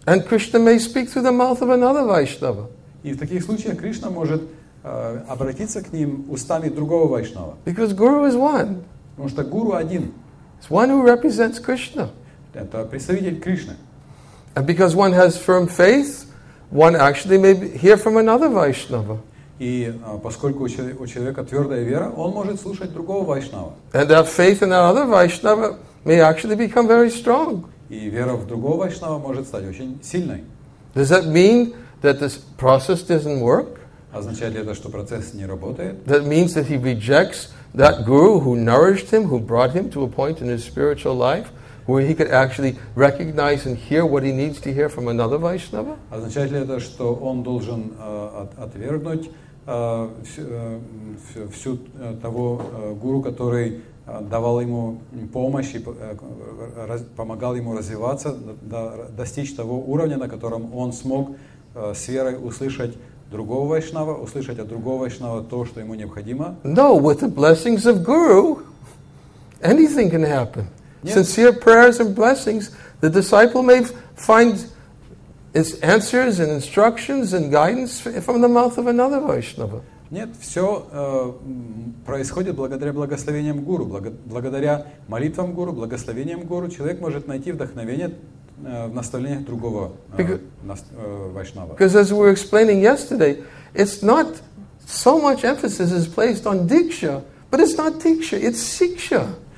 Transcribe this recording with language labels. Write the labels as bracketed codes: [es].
[en] And Krishna may speak through the mouth of another Vaishnava. [ru] И в таких случаях Кришна может обратиться к ним устами другого Вайшнава. [en] Because Guru is one. [ru] Потому что Гуру один. [en] It's one who represents Krishna. [ru] Это представитель Кришны. [en] And because one has firm faith, one actually may hear from another Vaishnava. [ru] И поскольку у человека твердая вера, он может слушать другого Вайшнава. [en] And that faith in that other Vaishnava may actually become very strong. [ru] И вера в другого Вайшнава может стать очень сильной. [en] Does that mean that this process doesn't work? [ru] Означает ли это, что процесс не работает? [en] That means that he rejects that guru who nourished him, who brought him to a point in his spiritual life where he could actually recognize and hear what he needs to hear from another Vaishnava? [ru] Означает ли это, что он должен отвергнуть всю того гуру, который давал ему помощь и помогал ему развиваться, достичь того уровня, на котором он смог с верой услышать другого Вайшнава, услышать от другого Вайшнава то, что ему необходимо? [en] No, with the blessings of Guru, anything can happen. Yes. Sincere prayers and blessings, the disciple may find his answers and instructions and guidance from the mouth of another Vaishnava. [ru] Нет, все происходит благодаря благословениям Гуру. Благодаря молитвам Гуру, благословениям Гуру, человек может найти вдохновение в наставлениях другого Вайшнава. [en] Because as we were explaining yesterday, it's not so much emphasis is placed on Diksha, but it's not Diksha, it's Siksha.